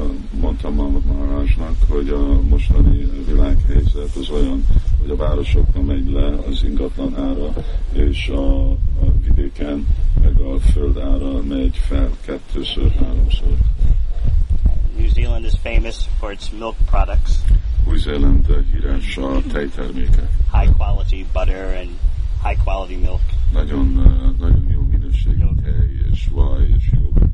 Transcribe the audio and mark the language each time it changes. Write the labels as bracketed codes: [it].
[hu] Mondtam a Maharajnak, hogy a mostani világhelyzet az olyan, hogy a városokban megy le az ingatlan ára, és a vidéken meg a föld ára megy fel kettőször, háromszor. [en] New Zealand is famous for its milk products. [hu] Új-Zéland híres a tejterméke. [en] High quality butter and high quality milk. [hu] Nagyon, nagyon jó minőségű tej és vaj és jó.